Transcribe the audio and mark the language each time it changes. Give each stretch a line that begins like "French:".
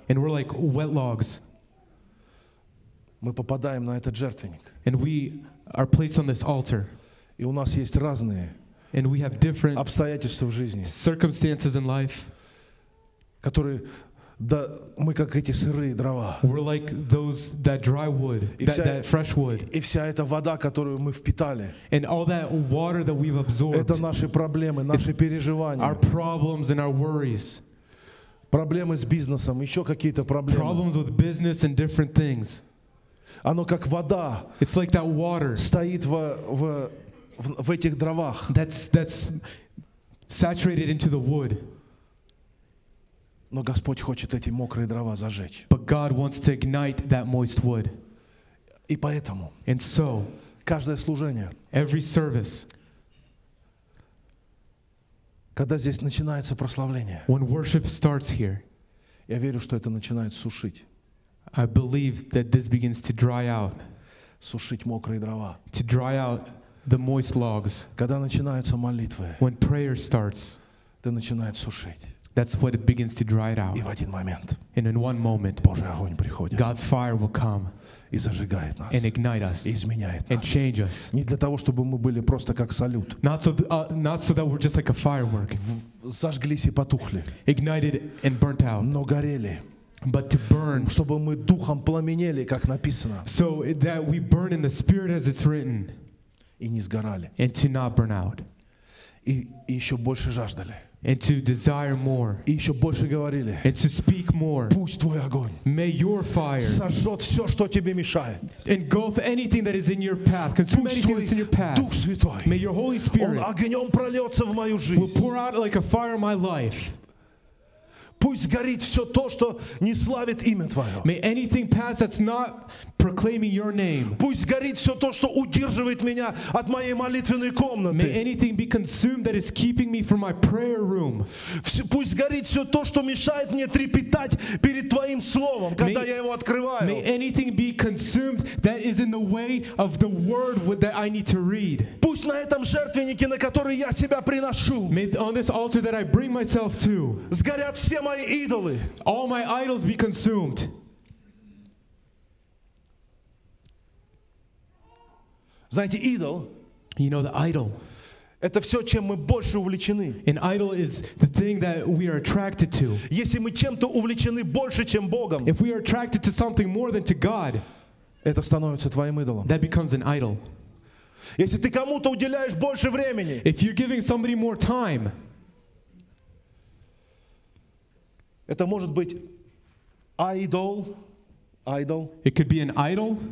English: And we're like wet logs.
Russian: Мы попадаем на этот жертвенник.
English: And we are placed on this altar.
Russian: И у нас есть разные.
English: And we have different
Russian: обстоятельства в жизни.
English: Circumstances in life.
Russian: Которые Да, мы как эти сырые дрова.
English: We're like those that dry wood, that fresh wood.
Russian: И вся эта вода, которую мы впитали.
English: And all that water that we've absorbed.
Russian: Это наши проблемы, наши переживания.
English: Our problems and our worries.
Russian: Проблемы с бизнесом, еще какие-то проблемы.
English: Problems with business and different things.
Russian: Оно как вода.
English: It's like that water.
Russian: Стоит в этих дровах.
English: That's saturated into the wood.
Russian: Но Господь хочет эти мокрые дрова зажечь.
English: But God wants to ignite that moist wood.
Russian: И поэтому.
English: And so.
Russian: Каждое служение.
English: Every service.
Russian: Когда здесь начинается прославление.
English: When worship starts here.
Russian: Я верю, что это начинает сушить.
English: I believe that this begins to dry out.
Russian: Сушить мокрые дрова.
English: To dry out the moist logs.
Russian: Когда начинаются молитвы.
English: When prayer starts.
Russian: Это начинает сушить.
English: That's what it begins to dry it out.
Russian: И в один момент,
English: and in one moment,
Russian: Божий огонь приходит,
English: God's fire will come
Russian: и зажигает нас,
English: and ignite us
Russian: и изменяет
English: and
Russian: нас.
English: Change us.
Russian: Не для того, чтобы мы были просто как салют.
English: Not so that we're just like a firework.
Russian: Зажглись и потухли.
English: Ignited and burnt out.
Russian: Но горели.
English: But to burn.
Russian: Чтобы мы духом пламенели, как написано.
English: So that we burn in the spirit as it's written.
Russian: И не сгорали.
English: And to not burn out.
Russian: И еще больше жаждали.
English: And to desire more.
Russian: И еще больше говорили.
English: And to speak more.
Russian: Пусть твой огонь.
English: May your fire.
Russian: Сожжет все, что тебе мешает.
English: Engulf anything that is in your path. Consume
Russian: Пусть
English: anything that's in your path.
Russian: Дух Святой.
English: May your Holy Spirit.
Russian: Он огнем прольется в мою жизнь.
English: Will pour out like a fire in my life.
Russian: Пусть сгорит все то, что не славит имя Твое.
English: May anything pass that's not proclaiming Your name.
Russian: Пусть сгорит все то, что удерживает меня от моей молитвенной комнаты.
English: May anything be consumed that is keeping me from my prayer room.
Russian: Пусть сгорит все то, что мешает мне трепетать перед Твоим словом, когда я его открываю.
English: May anything be consumed that is in the way of the word that I need to read.
Russian: Пусть на этом жертвеннике, на который я себя приношу,
English: May on this altar that I bring myself to,
Russian: сгорят все
English: My idols. All my idols be consumed.
Russian: Знаете, идол?
English: You know the idol.
Russian: Это все, чем мы больше увлечены.
English: An idol is the thing that we are attracted to.
Russian: Если мы чем-то увлечены больше, чем Богом.
English: If we are attracted to something more than to God.
Russian: Это становится твоим идолом.
English: That becomes an idol.
Russian: Если ты кому-то уделяешь больше времени.
English: If you're giving somebody more time.
Russian: Это может быть idol.
English: It could be an idol.